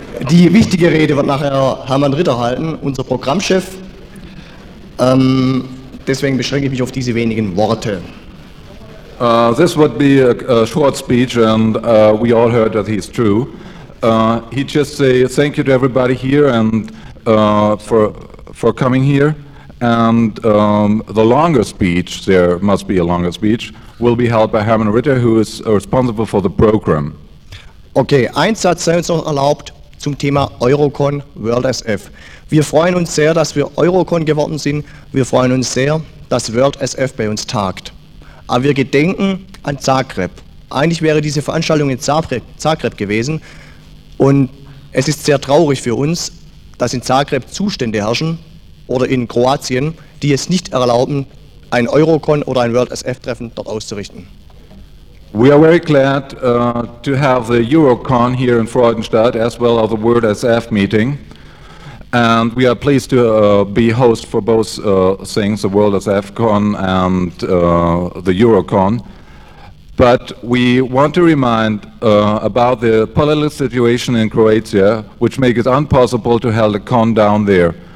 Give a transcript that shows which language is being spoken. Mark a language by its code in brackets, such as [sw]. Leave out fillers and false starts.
[de] Die wichtige Rede wird nachher Hermann Ritter halten, unser Programmchef. Deswegen beschränke ich mich auf diese wenigen Worte. [en] This would be a short speech, and we all heard that he's true. He just say thank you to everybody here and for coming here. And the longer speech, there must be a longer speech, will be held by Hermann Ritter, who is responsible for the program. [de] Okay, ein Satz sei uns noch erlaubt zum Thema Eurocon World SF. Wir freuen uns sehr, dass wir Eurocon geworden sind. Wir freuen uns sehr, dass World SF bei uns tagt. Aber wir gedenken an Zagreb. Eigentlich wäre diese Veranstaltung in Zagreb gewesen. Und es ist sehr traurig für uns, dass in Zagreb Zustände herrschen oder in Kroatien, die es nicht erlauben, ein Eurocon oder ein World SF-Treffen dort auszurichten. [en] We are very glad to have the Eurocon here in Freudenstadt as well as the World SF meeting. And we are pleased to be host for both things, the World SF Con and the Eurocon. But we want to remind about the political situation in Croatia, which makes it impossible to hold a con down there.